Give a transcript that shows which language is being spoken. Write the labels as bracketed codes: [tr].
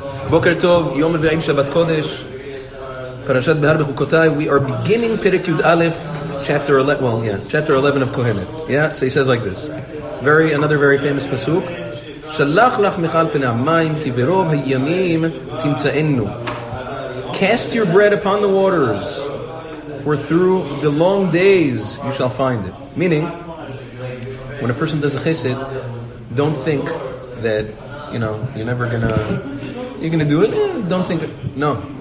[he] בוקר טוב, יום רביעי שבת קודש, פרשת בהר בחוקותיי. [en] We are beginning פרק יוד א', chapter 11, well, yeah, chapter 11 of Kohelet. Yeah, so he says like this. Another very famous pasuk. [he] שלח לחמך על פני המים, כי ברוב הימים תמצאנו. [en] Cast your bread upon the waters, for through the long days you shall find it. Meaning, when a person does a chesed, don't think that, you know, you're going to do it. Don't think, no.